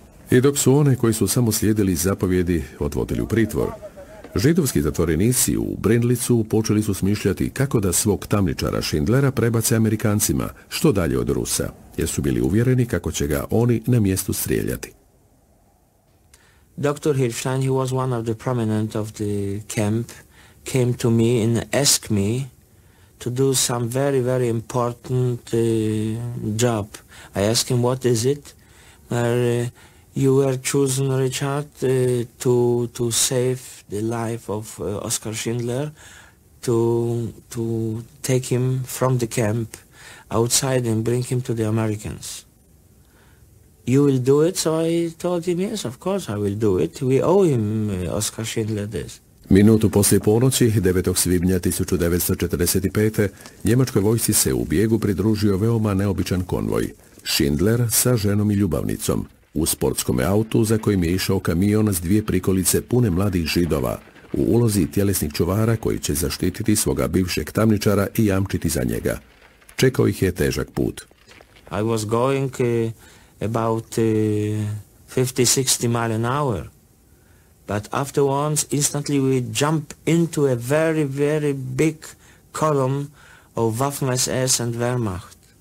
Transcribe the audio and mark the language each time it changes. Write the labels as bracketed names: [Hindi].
[Croatian] I dok su one koji su samo slijedili zapovjedi odvodili u pritvor, židovski zatvorenici u Brindlicu počeli su smišljati kako da svog tamničara Schindlera prebace Amerikancima što dalje od Rusa, jer su bili uvjereni kako će ga oni na mjestu strijeljati. [English] Dr. Hirschstein, he was one of the prominent of the camp, came to me and asked me to do some very, very important job. I asked him, what is it? You were chosen, Richard, to save the life of Oskar Schindler, to take him from the camp outside and bring him to the Americans. You will do it? So I told him, yes, of course I will do it. We owe him Oskar Schindler this. [Croatian] Minutu poslije ponoći, 9. svibnja 1945. Njemačkoj vojsci se u bijegu pridružio veoma neobičan konvoj. Schindler sa ženom i ljubavnicom. U sportskom autu za kojim je išao kamion s dvije prikolice pune mladih židova, u ulozi tjelesnih čuvara koji će zaštititi svoga bivšeg tamničara i jamčiti za njega. Čekao ih je težak put. [English] I was going about 50-60 mile an hour, but after once instantly we jump into a very, very big column of Waffen-SS and Wehrmacht.